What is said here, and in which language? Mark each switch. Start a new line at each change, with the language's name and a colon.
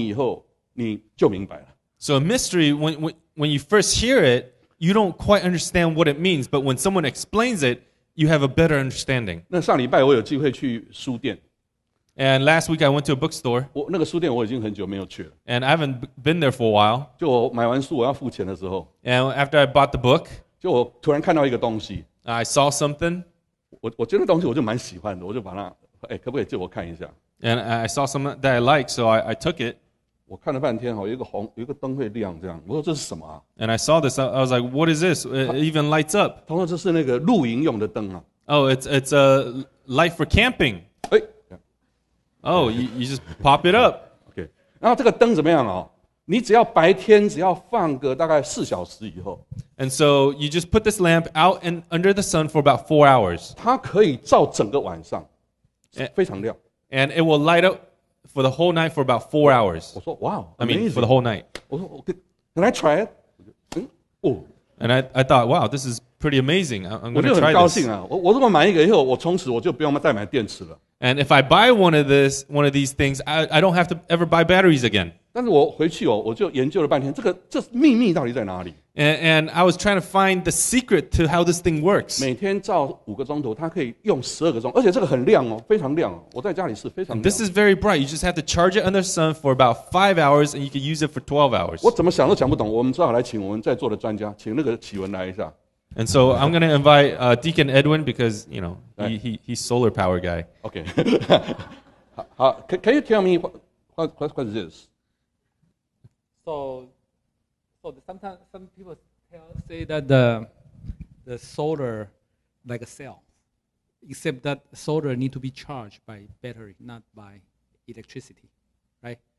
Chinese: 奥秘一个比较简单的解释就是说，有一些东西你不了解、你不明白，但是告人家告诉你以后，你就明白了。
English: So a mystery, when you first hear it, you don't quite understand what it means, but when someone explains it, you have a better understanding.
Chinese: 那上礼拜我有机会去书店。
English: And last week I went to a bookstore.
Chinese: 那个书店我已经很久没有去了。
English: And I haven't been there for a while.
Chinese: 就我买完书我要付钱的时候。
English: And after I bought the book,
Chinese: 就我突然看到一个东西。
English: I saw something.
Chinese: 我觉得东西我就蛮喜欢的，我就把它，哎，可不可以借我看一下
English: ？And I saw some that I like, so I took it.
Chinese: 我看了半天，有一个灯会亮这样，我说这是什么啊
English: ？And I saw this, I was like, what is this? It even lights up.
Chinese: 他说这是那个露营用的灯啊。
English: Oh, it's a light for camping.
Chinese: 哎，
English: Oh, you just pop it up. Okay.
Chinese: 然后这个灯怎么样啊？你只要白天只要放个大概四小时以后。
English: And so you just put this lamp out and under the sun for about 4 hours.
Chinese: 它可以照整个晚上, 非常亮。
English: And it will light up for the whole night for about 4 hours. I said, wow, I mean, for the whole night. Can I try it? And I thought, wow, this is pretty amazing. I'm going to try this. And if I buy one of these things, I don't have to ever buy batteries again. And I was trying to find the secret to how this thing works.
Chinese: 每天照5个钟头, 它可以用12个钟, 而且这个很亮哦, 非常亮哦, 我在家里是非常亮哦。
English: And this is very bright. You just have to charge it under the sun for about 5 hours, and you can use it for 12 hours.
Chinese: 我怎么想都想不懂, 我们只好来请我们在座的专家, 请那个启文来一下。
English: And so I'm going to invite Deacon Edwin because, you know, he's solar power guy. Okay. 好, can you tell me what is this? So sometimes some people say that the solar like a cell, except that solar need to be charged by battery, not by electricity, right?